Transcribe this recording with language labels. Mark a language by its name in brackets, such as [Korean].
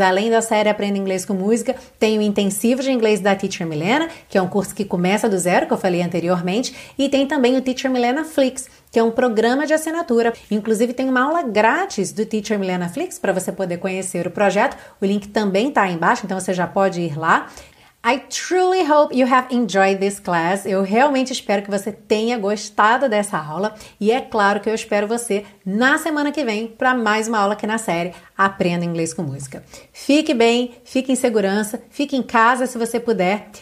[Portuguese] Além da série Aprenda Inglês com Música, tem o Intensivo de Inglês da Teacher Milena, que é um curso que começa do zero, que eu falei anteriormente, e tem também o Teacher Milena Flix, que é um programa de assinatura. Inclusive, tem uma aula grátis do Teacher Milena Flix para você poder conhecer o projeto. O link também está aí embaixo, então você já pode ir lá. [English] I truly hope you have enjoyed this class. [Portuguese] Eu realmente espero que você tenha gostado dessa aula. E é claro que eu espero você na semana que vem para mais uma aula aqui na série Aprenda Inglês com Música. Fique bem, fique em segurança, fique em casa se você puder.